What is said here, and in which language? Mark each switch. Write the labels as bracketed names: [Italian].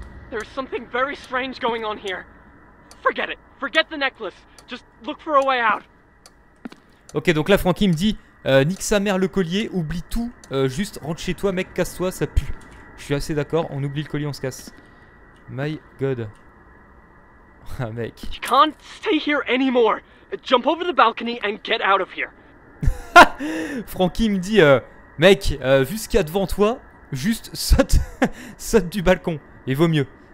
[English] There's something very strange going on here. Forget it, forget the necklace, just look for a way out. [French] Ok, donc là, Franky me dit nique sa mère le collier, oublie tout, juste rentre chez toi, mec, casse-toi, ça pue. Je suis assez d'accord, on oublie le collier, on se casse. [English] My god. Ah, mec. You can't stay here anymore. Jump over the balcony and get out of here. [French] Franky me dit mec, vu ce qu'il y a devant toi, juste saute, saute du balcon. Il vaut mieux.